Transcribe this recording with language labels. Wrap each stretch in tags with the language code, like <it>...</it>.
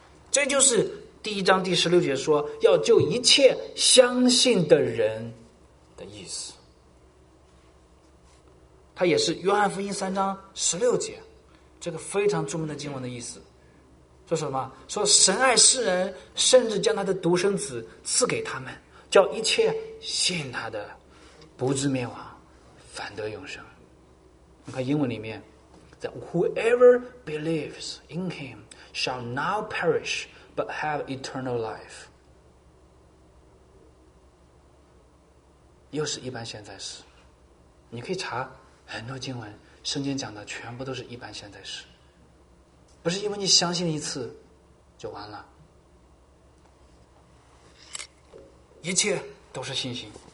<zh>这就是第一章第十六节说要救一切相信的人的意思，它也是约翰福音三章十六节这个非常著名的经文的意思。说什么？说神爱世人，甚至将他的独生子赐给他们，叫一切信他的不至灭亡，反得永生。你看英文里面</zh> <en>that whoever believes in him shall not perish but have eternal life。</en> <zh>又是一般现在时，你可以查很多经文，圣经讲的全部都是一般现在时，不是因为你相信一次就完了，一切都是信心。</zh>